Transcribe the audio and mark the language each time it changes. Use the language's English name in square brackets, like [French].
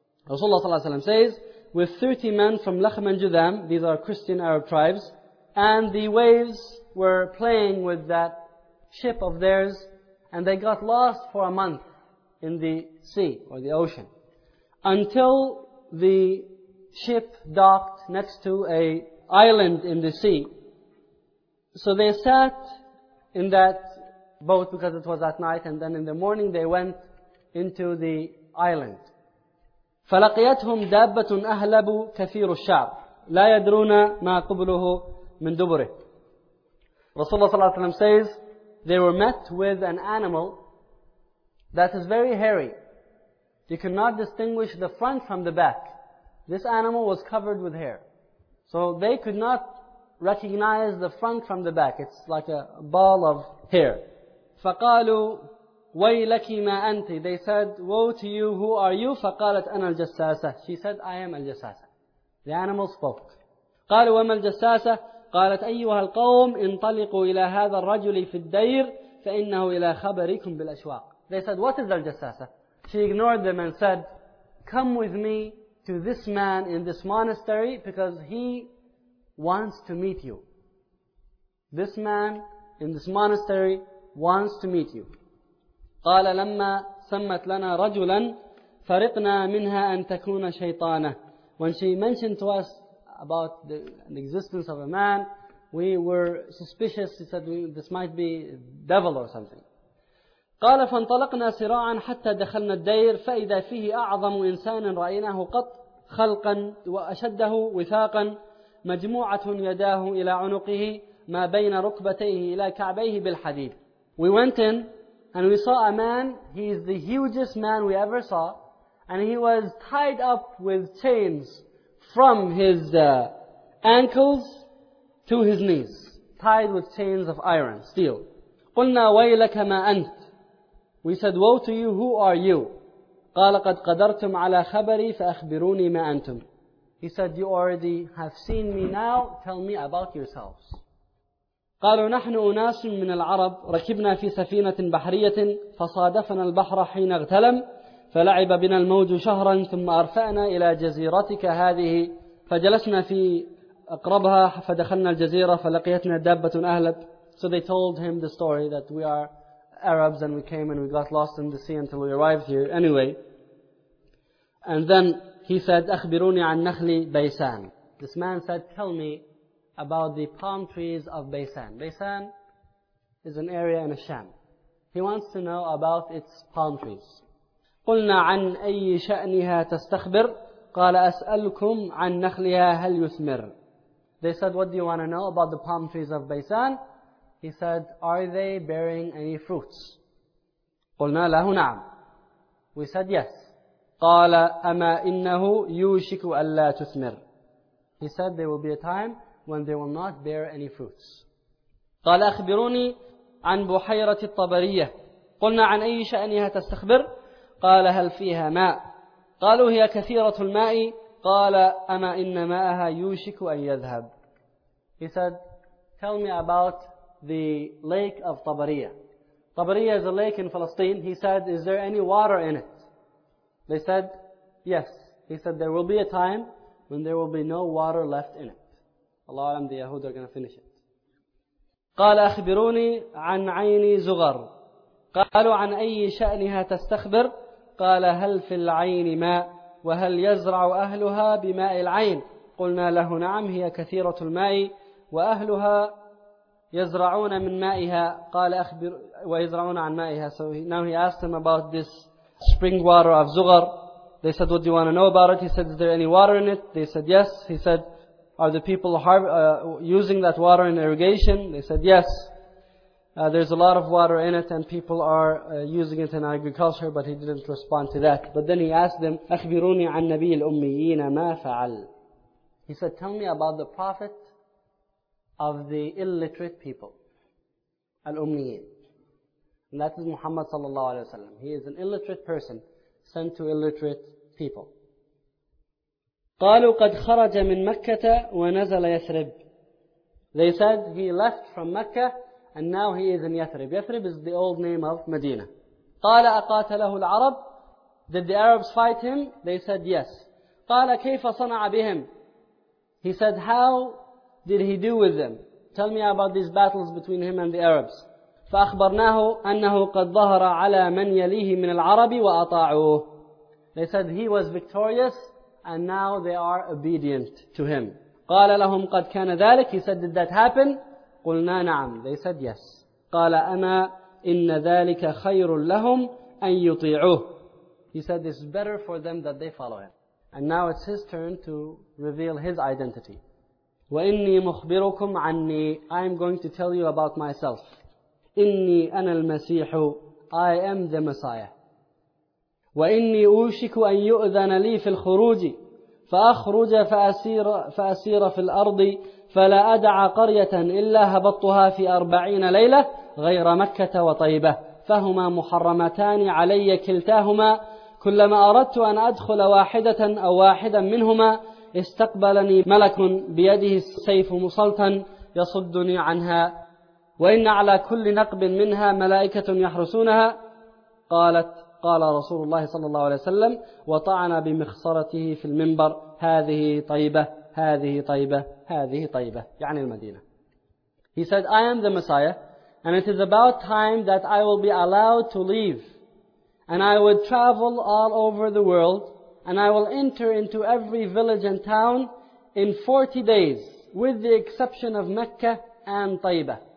[Arabic] رسول الله صلى الله عليه وسلم [English] says with 30 men from Lakhm and Judham these are Christian Arab tribes and the waves were playing with that ship of theirs and they got lost for a month in the sea or the ocean until the ship docked next to a island in the sea So they sat in that boat because it was at night and then in the morning they went into the island. [Arabic] فَلَقِيَتْهُمْ دَابَّةٌ أَهْلَبُ كَثِيرُ الشَّعْبِ لَا يَدْرُونَ مَا قُبْلُهُ مِنْ دُبْرِهِ Rasulullah صلى الله عليه وسلم [English] says, they were met with an animal that is very hairy. You cannot distinguish the front from the back. This animal was covered with hair. So they could not recognize the front from the back. It's like a ball of hair. [Arabic] فَقَالُوا وَيْلَكِ مَا أَنْتِ [English] They said, woe to you, who are you? [Arabic] فَقَالَتْ أَنَا الْجَسَّاسَةِ [English] She said, I am الْجَسَّاسَةِ The animal spoke. [Arabic] قَالُوا وَمَا الْجَسَّاسَةِ قَالَتْ أَيُّهَا الْقَوْمِ انْطَلِقُوا إِلَى هَذَا الرَّجُلِ فِي الدَّيْرِ فَإِنَّهُ إِلَى خَبَرِكُمْ بِالْأَشْوَاقِ [English] They said, what is الْجَسَّاسَةِ She ignored them and said, come with me to this man in this monastery because he wants to meet you. This man in this monastery wants to meet you. [Arabic] قَالَ لَمَّا سَمَّتْ لَنَا رَجُلًا فَرِقْنَا مِنْهَا أَن تَكُونَ شَيْطَانَهُ [English] When she mentioned to us about the existence of a man, we were suspicious. She said, this might be devil or something. [Arabic] قَالَ فَانْطَلَقْنَا سِرَاعًا حَتَّى دَخَلْنَا الدَّيْرِ فَإِذَا فِيهِ أَعْظَمُ إِنسَانٍ رَأَيْنَاهُ قَطْ خَلْقًا وَأَشَدَّهُ وِثَاقًا مجموعة يداه إلى عنقه ما بين ركبتيه إلى كعبيه بالحديد. [English] We went in and we saw a man. He is the hugest man we ever saw, and he was tied up with chains from his ankles to his knees, tied with chains of iron, steel. [Arabic] قلنا ويلك ما أنت. [English] We said, woe to you. Who are you? [Arabic] قال قد قدرتم على خبري فأخبروني ما أنتم. [English] He said, you already have seen me now, tell me about yourselves. [Arabic] قالوا نحن أناس من العرب ركبنا في سفينة بحرية فصادفنا البحر حين اغتلم فلعب بنا الموج شهرا ثم أرفعنا إلى جزيرتك هذه فجلسنا في أقربها فدخلنا الجزيرة فلقيتنا دابة أهلب [English] So they told him the story that we are Arabs and we came and we got lost in the sea until we arrived here anyway. And then he said, [Arabic] أخبروني عن نخل بيسان. [English] This man said, tell me about the palm trees of Baysan. Baysan is an area in Sham. He wants to know about its palm trees. [Arabic] قلنا عن أي شأنها تستخبر؟ قال أسألكم عن نخلها هل يثمر؟ [English] They said, what do you want to know about the palm trees of Baysan? He said, are they bearing any fruits? [Arabic] قلنا له نعم. [English] We said, yes. [Arabic] قال أما إنه يوشك ألا تثمر. [English] He said there will be a time when they will not bear any fruits. [Arabic] قال أخبروني عن بحيرة الطبرية. قلنا عن أي شأنها تستخبر؟ قال هل فيها ماء؟ قالوا هي كثيرة الماء. قال أما إن ماءها يوشك أن يذهب. [English] He said, tell me about the lake of Tabariya. Tabariya is a lake in Palestine. He said, is there any water in it? They said, yes. He said, there will be a time when there will be no water left in it. Allah A'lam, the Yahud are going to finish it. [Arabic] قال أخبروني عن عيني زغر. قالوا عن أي شأنها تستخبر؟ قال هل في العين ماء؟ وهل يزرع أهلها بماء العين؟ قلنا له نعم هي كثيرة الماء وأهلها يزرعون من مائها. قال أخبر ويزرعون عن مائها. [English] So now he asked him about this spring water of Zughar. They said, what do you want to know about it? He said, is there any water in it? They said, yes. He said, are the people using that water in irrigation? They said, yes. There's a lot of water in it and people are using it in agriculture, but he didn't respond to that. But then he asked them, [Arabic] أخبروني عن نبي الأميين ما فعل. [English] He said, tell me about the Prophet of the illiterate people, الأميين. And that is Muhammad sallallahu alayhi wa sallam. He is an illiterate person sent to illiterate people. [Arabic] قالوا قد خرج من مكة ونزل يثرب. [English] They said he left from Mecca and now he is in Yathrib. Yathrib is the old name of Medina. [Arabic] قال أقاتله العرب. [English] Did the Arabs fight him? They said yes. [Arabic] قال كيف صنع بهم. [English] He said, how did he do with them? Tell me about these battles between him and the Arabs. [Arabic] فأخبرناه أنه قد ظهر على من يليه من العرب وأطاعوه. [English] They said he was victorious and now they are obedient to him. [Arabic] قال لهم قد كان ذلك. [English] He said, did that happen? [Arabic] قلنا نعم. [English] They said yes. [Arabic] قال أما إن ذلك خير لهم أن يطيعوه. [English] He said it's better for them that they follow him. And now it's his turn to reveal his identity. [Arabic] وإني مخبركم عني. [English] I'm going to tell you about myself. [Arabic] إني أنا المسيح. [English] I am the Messiah. [Arabic] وإني أوشك أن يؤذن لي في الخروج فأخرج فأسير في الأرض فلا أدع قرية إلا هبطتها في 40 ليلة غير مكة وطيبة فهما محرمتان علي كلتاهما كلما أردت أن أدخل واحدة أو واحدا منهما استقبلني ملك بيده السيف مسلطا يصدني عنها وإن على كل نقب منها ملائكة يحرسونها. قالت قال رسول الله صلى الله عليه وسلم وطعن بمخصرته في المنبر هذه طيبة هذه طيبة هذه طيبة يعني المدينة. [English] He said, I am the Messiah and it is about time that I will be allowed to leave and I would travel all over the world and I will enter into every village and town in 40 days with the exception of Mecca and Taiba.